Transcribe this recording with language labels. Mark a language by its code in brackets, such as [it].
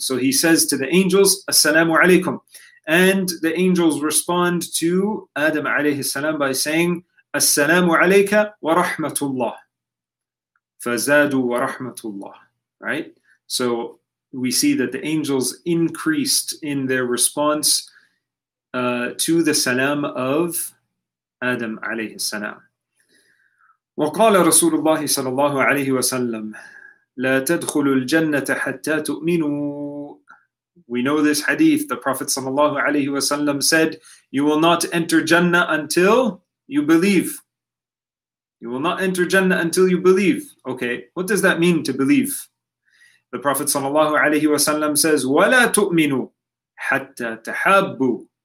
[en] So he says to the angels, السلام عليكم. And the angels respond to Adam alayhi salam by saying, [ar] السلام عليك ورحمة الله. فزادوا ورحمة الله. [en] Right? So we see that the angels increased in their response to the salam of Adam alayhi salam. [ar] وقال رسول الله صلى الله عليه وسلم, لا تدخل الجنة حتى تؤمنوا. [en] We know this hadith. The Prophet sallallahu alayhi wa sallam said, you will not enter Jannah until you believe. You will not enter Jannah until you believe. Okay, what does that mean to believe? The Prophet sallallahu alayhi wa sallam says, [ar] ولا تؤمنوا حتى تحبوا.